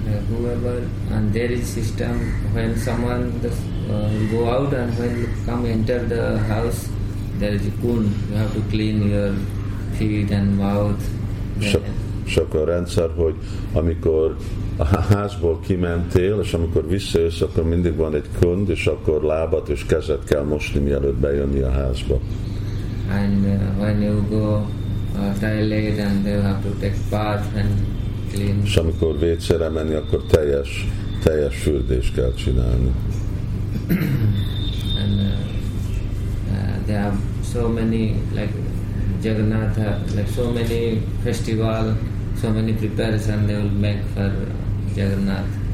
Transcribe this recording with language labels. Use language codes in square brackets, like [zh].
[en] Whoever, and there is system, when someone go out and when come enter the house, there is a kun, you have to clean your feet and mouth. [hu] És akkor a rendszer, hogy amikor a házból kimentél, és amikor visszajössz, akkor mindig van egy kund, és akkor lábat és kezet kell mosni, mielőtt bejönni a házba. [en] And when you go toilet, and they have to take bath and clean. [hu] És amikor vécére menni, akkor teljes fürdést kell csinálni. [en] And they have so many like Jagannath, like so many festival, so many preparation they will make for Jagannath.